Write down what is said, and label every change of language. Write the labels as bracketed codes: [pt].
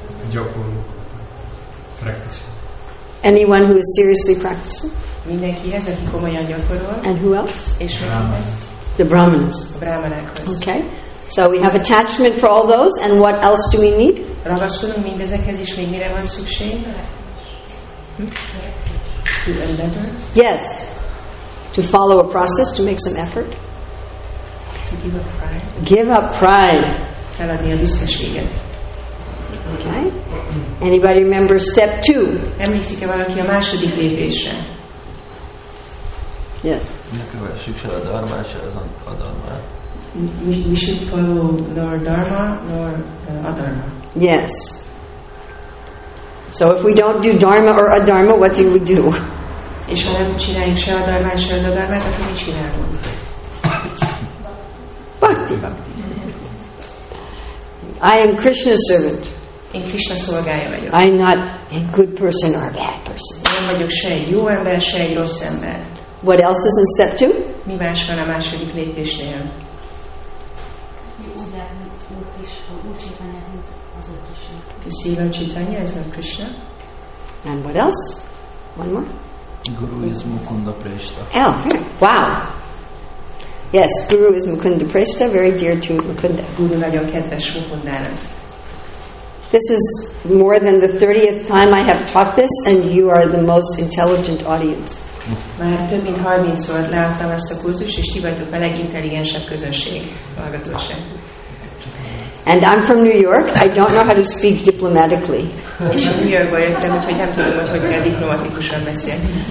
[hu] Gyakorló. Practice. [en] Anyone who is seriously practicing? [hu] Mindenkihez, aki komolyan gyakorol. [en] And who else? [hu] És még kihez? [en] The Brahmins. [hu] A brahmanákhoz. [en] Okay. So we have attachment for all those, and what else do we need? [hu] Ragaszkodunk mindezekhez, és még mire van szükség? [en] To endeavor? Yes. To follow a process, to make some effort. To give up pride. Give up pride. [hu] Feladni a büszkeséget. [en] Okay. Anybody remember step two? [hu] Emlékszik-e valaki a második lépésre? [en] Yes. [hu] Mi kövessük se a dharma, se az adharma. [en] We should follow nor dharma nor adharma. Yes. So if we don't do dharma or adharma, what do we do? [hu] És ha nem csináljuk se a dharma, se az adharma, akkor mit csinálunk? [en] Bhakti. I am Krishna's servant. [hu] Én Krishna szolgája vagyok. [en] I'm not a good person or a bad person. [hu] Nem vagyok se egy jó ember, se egy rossz ember. [en] What else is in step two? [hu] Mi más van a második lépésnél? Úgy csinálni, hogy az Úr Krishna. [en] To see Lord Chaitanya as Lord Krishna. And what else? One more. Guru is Mukunda Prashta. Oh, wow. Yes, Guru is Mukunda Prashta, very dear to Mukunda. [hu] Guru nagyon kedves Mukundára. [en] This is more than the 30th time I have taught this, and you are the most intelligent audience. [hu] Már több mint 30 szor láttam ezt a kurzust, és ti vagytok a legintelligensebb közönség. Hallgatóság. [en] And I'm from New York. I don't know how to speak diplomatically. [hu] És New Yorkba jöttem, úgyhogy nem tudom, hogy kell diplomatikusan beszélni.